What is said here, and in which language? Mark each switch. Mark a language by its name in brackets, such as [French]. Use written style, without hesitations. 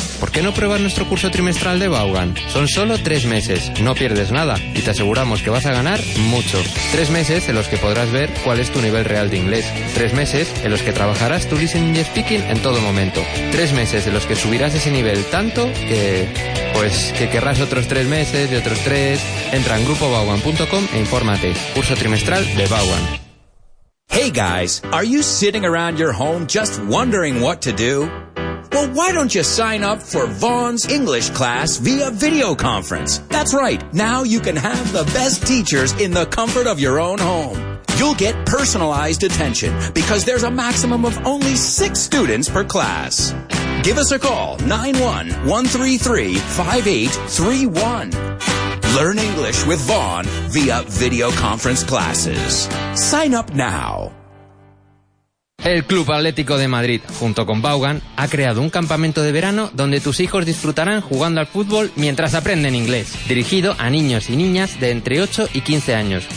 [Spanish] ¿Por qué no pruebas nuestro curso trimestral de Vaughan? Son solo 3 meses, no pierdes nada y te aseguramos que vas a ganar mucho. 3 meses en los que podrás ver cuál es tu nivel real de inglés. 3 meses en los que trabajarás tu listening y speaking en todo momento. 3 meses en los que subirás ese nivel tanto que, pues, que querrás otros 3 meses y otros 3. Entra en grupovaughan.com e infórmate. Curso trimestral de Vaughan. [English] Hey guys, are you sitting around your home just wondering what to do? Well, why don't you sign up for Vaughan's English class via video conference? That's right. Now you can have the best teachers in the comfort of your own home. You'll get personalized attention because there's a maximum of only 6 students per class. Give us a call, 91-133-5831. Learn English with Vaughan via video conference classes. Sign up now. [Spanish] El Club Atlético de Madrid, junto con Vaughan, ha creado un campamento de verano donde tus hijos disfrutarán jugando al fútbol mientras aprenden inglés. Dirigido a niños y niñas de entre 8 y 15 años.